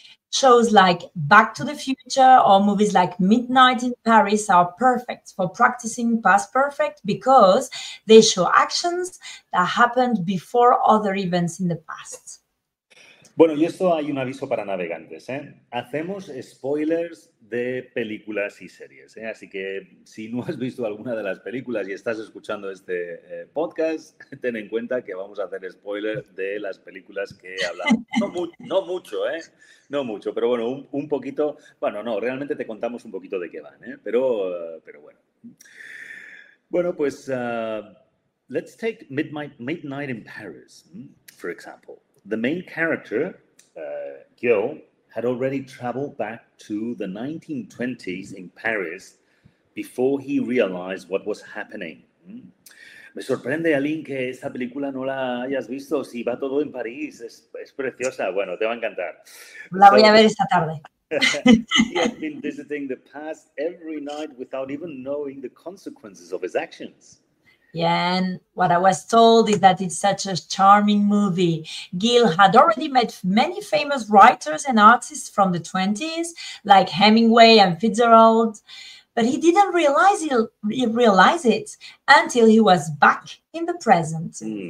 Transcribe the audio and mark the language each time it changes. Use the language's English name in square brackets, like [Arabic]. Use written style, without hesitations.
[English] Shows like Back to the Future or movies like Midnight in Paris are perfect for practicing past perfect because they show actions that happened before other events in the past. [Spanish] Bueno, y esto hay un aviso para navegantes, ¿eh? Hacemos spoilers de películas y series, ¿eh? Así que si no has visto alguna de las películas y estás escuchando este podcast, ten en cuenta que vamos a hacer spoilers de las películas que hablamos. No mucho, pero bueno, un poquito. Bueno, no, realmente te contamos un poquito de qué van, ¿eh? Pero bueno. Bueno, pues, [English] let's take Midnight in Paris, for example. The main character, Gil, had already traveled back to the 1920s in Paris before he realized what was happening. [Spanish] Me sorprende, Aline, que esta película no la hayas visto. Si va todo en París, es preciosa. Bueno, te va a encantar. La voy a ver esta tarde. [English] He had been visiting the past every night without even knowing the consequences of his actions. Yeah, and what I was told is that it's such a charming movie. Gil had already met many famous writers and artists from the 20s, like Hemingway and Fitzgerald, but he didn't realize it until he was back in the present.